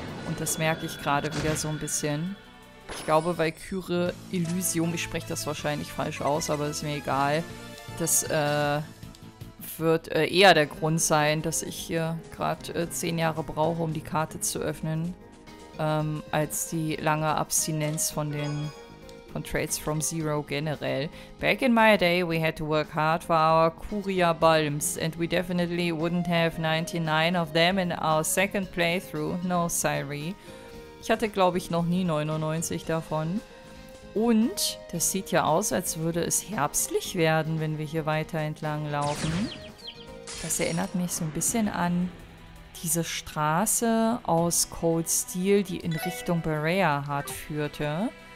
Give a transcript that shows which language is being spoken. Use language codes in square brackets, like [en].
[de] Und das merke ich gerade wieder so ein bisschen. Ich glaube, Valkyrie Elysium, ich spreche das wahrscheinlich falsch aus, aber ist mir egal. Das wird eher der Grund sein, dass ich hier gerade 10 Jahre brauche, um die Karte zu öffnen. Als die lange Abstinenz von den von Trades from Zero generell. [en] Back in my day, we had to work hard for our Kuria Balms, and we definitely wouldn't have 99 of them in our second playthrough. No, sorry. [de] Ich hatte, glaube ich, noch nie 99 davon. Und das sieht ja aus, als würde es herbstlich werden, wenn wir hier weiter entlang laufen. Das erinnert mich so ein bisschen an diese Straße aus Cold Steel, die in Richtung Berea Hard führte.